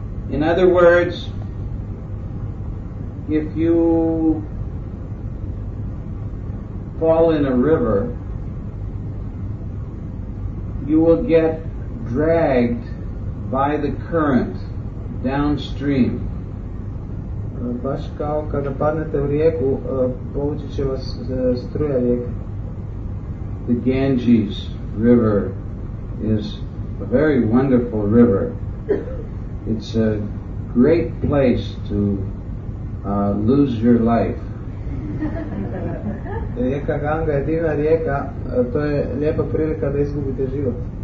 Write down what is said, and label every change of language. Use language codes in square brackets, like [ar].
[en] In other words, if you fall in a river, you will get dragged by the current downstream. [hr] Baš kao kada padnete u rijeku, povući će vas struja rijeke. [en] The Ganges River is a very wonderful river. It's a great place to lose your life. [hr] Rijeka Ganga je divna rijeka, to je lijepa prilika da izgubite život.